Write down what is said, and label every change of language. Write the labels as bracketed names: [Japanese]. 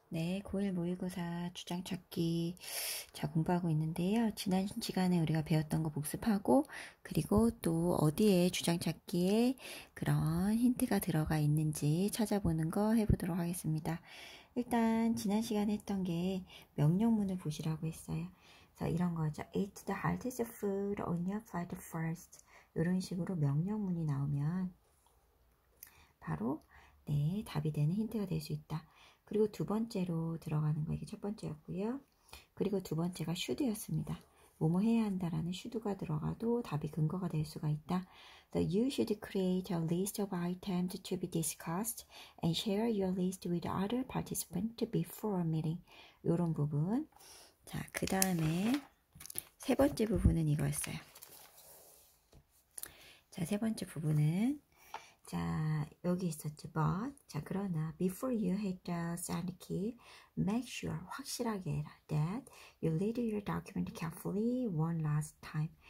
[Korean] 네, 고1 모의고사 주장찾기 자 공부하고 있는데요. 지난 시간에 우리가 배웠던 거 복습하고, 그리고 또 어디에 주장찾기에 그런 힌트가 들어가 있는지 찾아보는 거 해보도록 하겠습니다. 일단 지난 시간에 했던 게 명령문을 보시라고 했어요. 그래서 이런 거죠. [English] Eat the hottest food on your plate first. [Korean] 이런 식으로 명령문이 나오면 바로 네, 답이 되는 힌트가 될수 있다. 그리고 두 번째로 들어가는 거, 이게 첫 번째였고요. 그리고 두 번째가 should였습니다. 뭐뭐 해야 한다라는 should가 들어가도 답이 근거가 될 수가 있다. [English] So you should create a list of items to be discussed and share your list with other participants before a meeting. [Korean] 이런 부분. 자, 그 다음에 세 번째 부분은 이거였어요. 자, 세 번째 부분은 자, 여기 있었지, but. 자, 그러나, [English] before you hit the send key, make sure, [Korean] 확실하게 해라, [English] that you read your document carefully one last time.